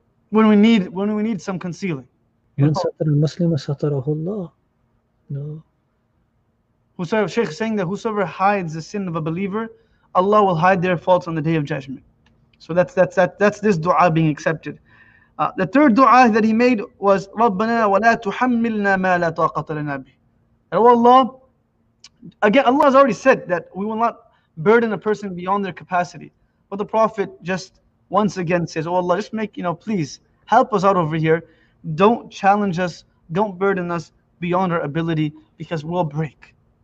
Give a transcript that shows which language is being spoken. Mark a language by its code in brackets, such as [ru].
[en] When we need some concealing. [ar] Man satara al-Muslima satarahu Allah. [en] No. Shaykh is saying that whosoever hides the sin of a believer, Allah will hide their faults on the day of judgment. So that's this dua being accepted. The third dua that he made was, [ar] رَبَّنَا وَلَا تُحَمِّلْنَا مَا لَا طَاقَةَ لَنَا بِهِ. [en] Oh Allah, again, Allah has already said that we will not burden a person beyond their capacity. But the Prophet just once again says, oh Allah, just make, you know, please help us out over here. Don't challenge us, don't burden us beyond our ability, because we'll break.